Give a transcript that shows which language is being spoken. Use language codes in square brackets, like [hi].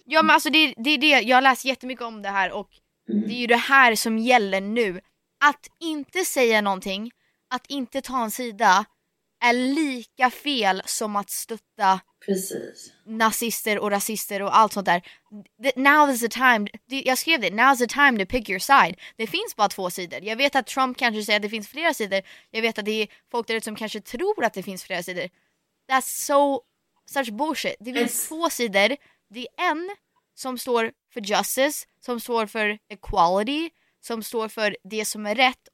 [sv] Ja, men alltså det jag läser jättemycket om det här, och det är ju det här som gäller nu. Att inte säga någonting, att inte ta en sida, är lika fel som att stötta nazister och rasister och allt sånt där. [en] Now is the time, [sv] jag skrev det, [en] now is the time to pick your side. [sv] Det finns bara två sidor. Jag vet att Trump kanske säger att det finns flera sidor. Jag vet att det är folk där som kanske tror att det finns flera sidor. [en] That's so such bullshit. [sv] Det finns två sidor. Det är en som står för justice, som står för equality, som står för det som är rätt.